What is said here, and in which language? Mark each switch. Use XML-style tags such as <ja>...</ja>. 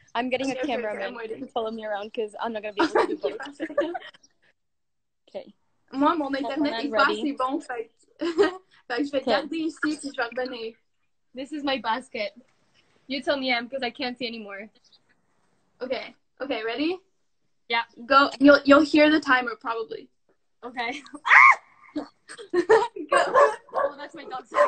<en>I'm getting a cameraman to follow me around because I'm not going to be able to do both. Okay.</en> <fr>Moi, mon internet est pas assez bon, fait que je vais garder ici puis je vais revenir.</fr> <en>This is my basket. You tell me, Em, because I can't see anymore. Okay. Okay, ready? Yeah. Go. You'll hear the timer probably. Okay. Ah! Oh, that's my dog.</en>